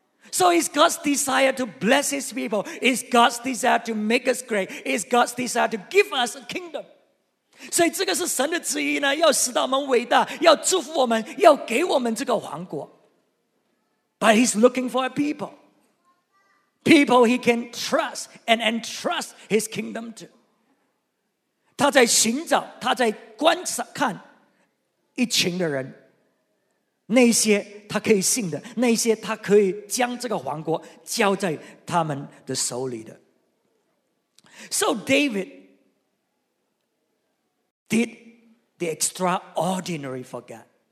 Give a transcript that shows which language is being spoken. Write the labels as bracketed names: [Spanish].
[English] So it's God's desire to bless his people. It's God's desire to make us great. It's God's desire to give us a kingdom. [Chinese] 所以这个是神的旨意呢，要使到我们伟大，要祝福我们，要给我们这个王国。 [English] But he's looking for a people. People he can trust and entrust his kingdom to. [Chinese] 他在寻找，他在观察看一群的人，那些他可以信的，那些他可以将这个王国交在他们的手里的。 [English] So David did the extraordinary for God.